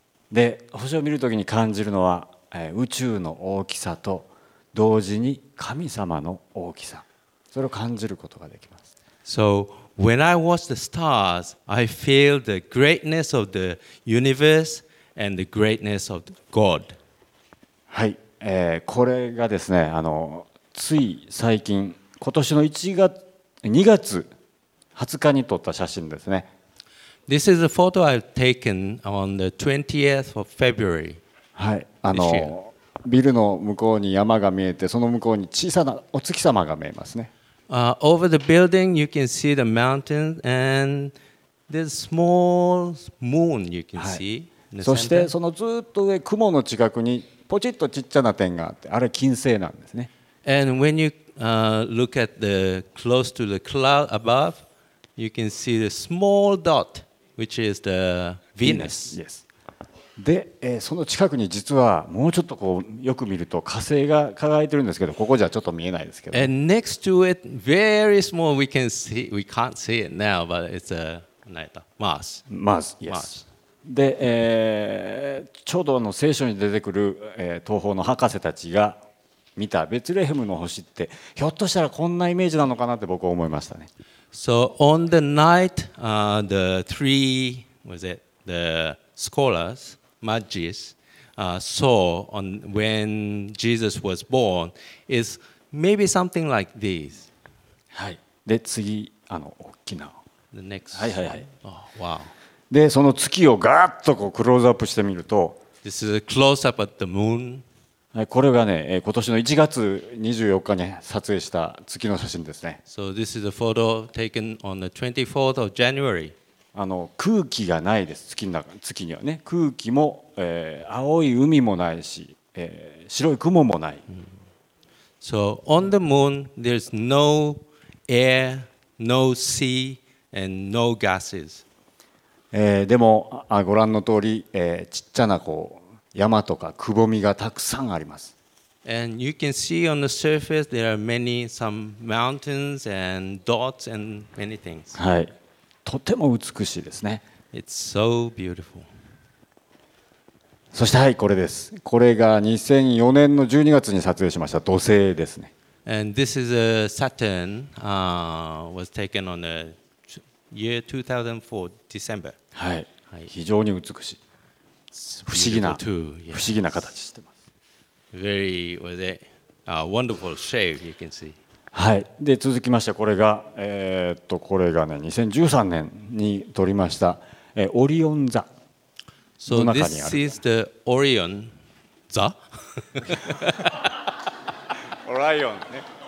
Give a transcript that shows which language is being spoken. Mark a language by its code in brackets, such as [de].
[ja] で星を見るときに感じるのは、宇宙の大きさと同時に神様の大きさ、それを感じることができます。 [en] So when I watch the stars, I feel the greatness of the universe and the greatness of God. [ja] はい、これがですね、つい最近、今年の1月、2月20日に撮った写真ですね。 [en] This is a photo I've taken on the 20th of February. [ja] はい、ビルの向こうに山が見えて、その向こうに小さなお月様が見えますね。 [en] Over the building, you can see the mountain and this small moon you can see. [ja] そしてそのずっと上、雲の近くにポチッとちっちゃな点があって、あれ金星なんですね。 [en] And when you look at the close to the cloud above. You can see the small dot, which is the Venus. Yes. [ja] で、その近くに実はもうちょっとこうよく見ると火星が輝いてるんですけど、ここじゃちょっと見えないですけど。 [en] And next to it, very small, we can see, we can't see it now, but it's a Mars. Mars, yes. Mars. [ja] で、ちょうどあの聖書に出てくる、東方の博士たちが見たベツレヘムの星って、ひょっとしたらこんなイメージなのかなって僕は思いましたね。 [en] So on the night, the three was it the scholars, magis, saw on when Jesus was born is maybe something like this. [ja] はい。で次大きな。 [en] The next. [ja] はいはいはい。 [en] Oh, wow. [ja] でその月をガーッとこうクローズアップしてみると。 [en] This is a close up at the moon. [ja] これがね今年の1月24日に撮影した月の写真ですね。 [en] So this is a photo taken on the 24th of January. [ja] 空気がないです。月の中、月にはね、空気も、青い海もないし、白い雲もない。 [en] So on the moon, there's no air, no sea, and no gases. [ja] でもご覧の通り、ちっちゃなこう。山とかくぼみがたくさんあります。 [en] And you can see on the surface there are many some mountains and dots and many things. [ja] はい、とても美しいですね。 [en] It's so beautiful. [ja] そしてはい、これです。これが2004年の12月に撮影しました土星ですね。 [en] And this is a Saturn was taken on the year 2004, December. [ja] はい、はい、非常に美しい、不思議な、 [en] yes. [ja] 不思議な形してます。 [en] Very was it a wonderful shape you can see。 [ja] はい、で続きましてこれが、これがね2013年に撮りました、オリオン座の中にある。 [en] So this is the Orion 座? [ja] Orion ね。